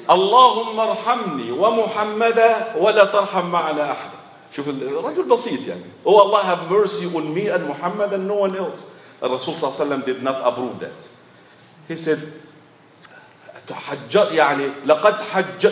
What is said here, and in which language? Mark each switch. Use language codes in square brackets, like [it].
[ar] اللهم ارحمني ومحمدا ولا ترحم معنا أحدا. شوف الرجل بسيط يعني. [en] Oh Allah, have mercy on me and Muhammad and no one else. [ar] الرسول صلى الله عليه وسلم [en] did not approve that. He said, [ar] تحجر يعني لقد حجر.